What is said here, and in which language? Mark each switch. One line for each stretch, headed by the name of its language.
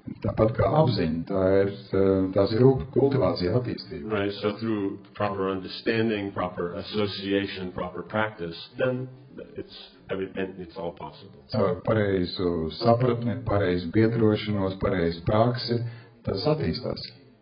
Latvian: Tāpat kā apziņa, tās ir kultivācija attīstība.
English: Right, so through proper understanding, proper association, proper practice, then it's all possible.
Latvian: Caur pareizu sapratni, pareizu biedrošanos, pareizu praksi, tas attīstās.